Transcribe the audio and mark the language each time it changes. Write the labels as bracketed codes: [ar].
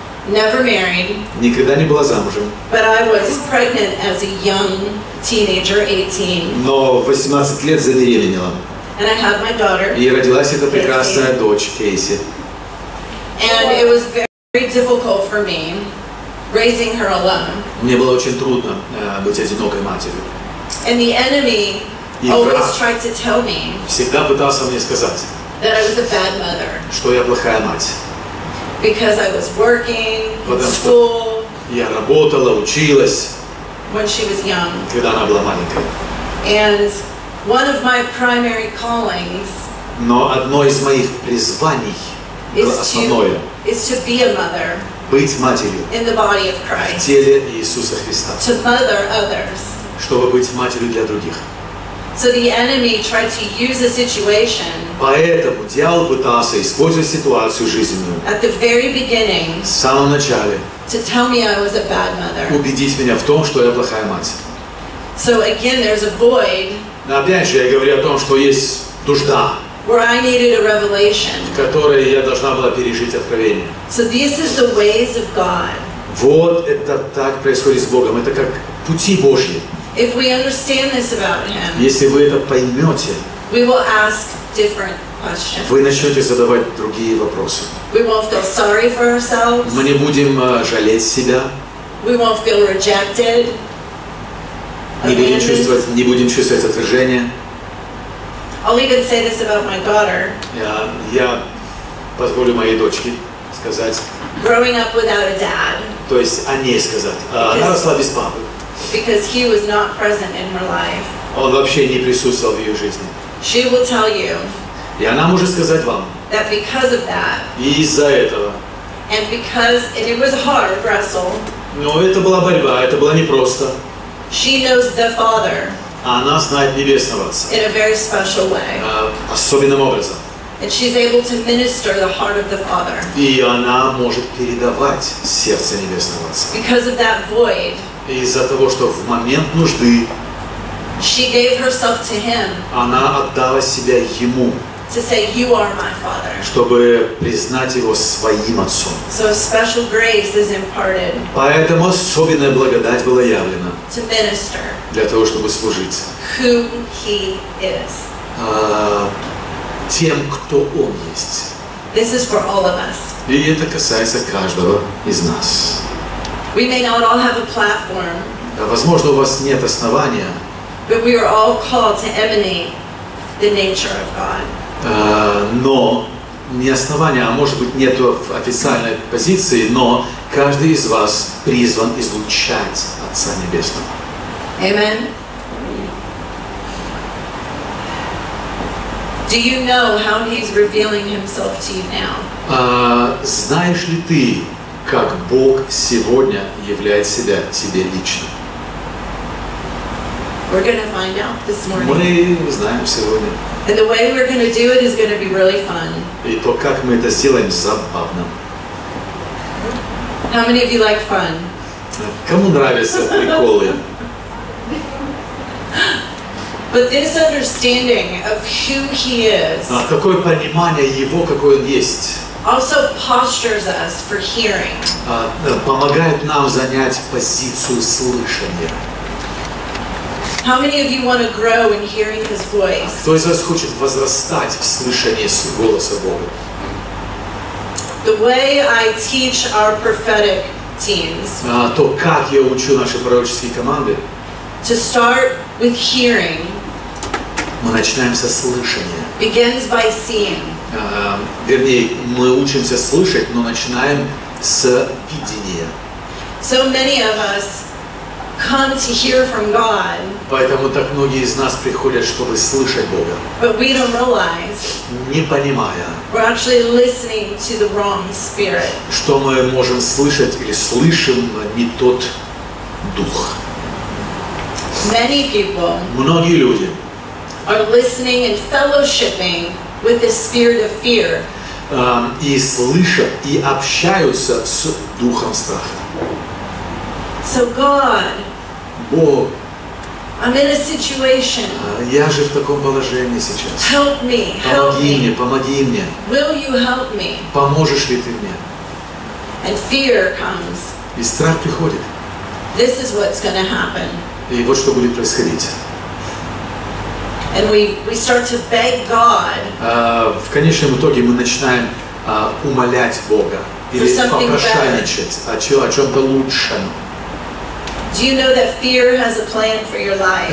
[en] Never married. [ru] Никогда не была замужем. [en] But I was pregnant as a young teenager, 18. [ru] Но в 18 лет забеременела. [en] And I had my daughter. [ru] И родилась эта прекрасная дочь Кейси. [en] And it was very difficult for me. Raising her alone. [ru] Мне было очень трудно быть одинокой матерью. [en] And the enemy always tried to tell me. [ru] Всегда пытался мне сказать. [en] That I was a bad mother. [ru] Что я плохая мать. [en] Because I was working in school. [ru] Я работала, училась. [en] When she was young. [ru] Когда она была маленькой. [en] And one of my primary callings. [ru] Но одно из моих призваний. [en] Is to be a mother. [ru] Быть матерью [en] in the body of Christ, [ru] в теле Иисуса Христа, [en] to mother others. [ru] Чтобы быть матерью для других. [en] So the enemy tried to use a situation. [ru] Поэтому дьявол пытался использовать ситуацию жизненную [en] at the very beginning, [ru] в самом начале, [en] to tell me I was a bad mother. [ru] Убедить меня в том, что я плохая мать. [en] So again, there's a void. [ru] Но опять же, я говорю о том, что есть нужда. [en] Where I needed a revelation. [ru] В которой я должна была пережить откровение. [en] So this is the ways of God. [ru] Вот это так происходит с Богом. Это как пути Божьи. [en] If we understand this about Him. [ru] Если вы это поймете. [en] We will ask different questions. [ru] Вы начнете задавать другие вопросы. [en] We won't feel sorry for ourselves. [ru] Мы не будем жалеть себя. [en] We won't feel rejected. [ru] Не будем чувствовать отвержения. [en] I'll even say this about my daughter. [ru] Я позволю моей дочке сказать. [en] Growing up without a dad. [ru] То есть о ней сказать. Она росла без папы. [en] Because he was not present in her life. [ru] Он вообще не присутствовал в ее жизни. [en] She will tell you. [ru] И она может сказать вам. [en] That because of that. [ru] И из-за этого. [en] And because it was hard wrestle. [ru] Но это была борьба, это было непросто. [en] She knows the Father. [ru] Она знает Небесного Отца. [en] In a very special way. [ru] Особенным образом. [en] And she's able to minister the heart of the Father. [ru] И она может передавать сердце Небесного Отца. [en] Because of that void. [ru] Из-за того, что в момент нужды. [en] She gave herself to him. [ru] Она отдала себя ему. [en] To say, "You are my Father." [ru] Чтобы признать его своим отцом. [en] So a special grace is imparted. [ru] Поэтому особенная благодать была явлена. [en] To minister. [ru] Для того, чтобы служить. [en] Who he is. [ru] Тем, кто он есть. [en] This is for all of us. [ru] И это касается каждого из нас. [en] We may not all have a platform. [ru] Да, возможно, у вас нет основания. [en] But we are all called to emanate the nature of God. [ru] Но не основание, а может быть нету официальной позиции, но каждый из вас призван излучать Отца Небесного. [en] Amen. Do you know how He's revealing Himself to you now? [ru] Знаешь ли ты, как Бог сегодня являет себя тебе лично? [en] We're gonna find out this morning. [ru] Мы узнаем сегодня. [en] And the way we're gonna do it is gonna be really fun. [ru] И то, как мы это сделаем, забавно. [en] How many of you like fun? [ru] Кому нравятся приколы? [en] But this understanding of who he is. [ru] А какое понимание его, какой он есть? [en] Also postures us for hearing. [ru] Помогает нам занять позицию слышания. [en] How many of you want to grow in hearing His voice? [ru] Кто из вас хочет возрастать в слышании голоса Бога? [en] The way I teach our prophetic teams. [ru] То, как я учу наши пророческие команды. [en] To start with hearing. [ru] Мы начинаем со слышания. [en] Begins by seeing. [ru] Вернее, мы учимся слышать, но начинаем с видения. [en] So many of us. Come to hear from God. [ru] Поэтому так многие из нас приходят, чтобы слышать Бога. [en] But we don't realize. [ru] Не понимая. [en] We're actually listening to the wrong spirit. [ru] Что мы можем слышать или слышим не тот дух. [en] Many people. [ru] Многие люди. [en] Are listening and fellowshipping with the spirit of fear. [ru] И слышат и общаются с духом страха. [en] So God, [ru] Бог, [en] I'm in a situation. [ru] Я же в таком положении сейчас. [en] Help me, help [ru] помоги мне, помоги мне. [en] Will you help me? [ru] Поможешь ли ты мне? [en] And fear comes. [ru] И страх приходит. [en] This is what's going to happen. [ru] И вот что будет происходить. [en] And we start to beg God. [ru] В конечном итоге мы начинаем умолять Бога или попрошайничать о чем-то лучшем. [en] Do you know that fear has a plan for your life?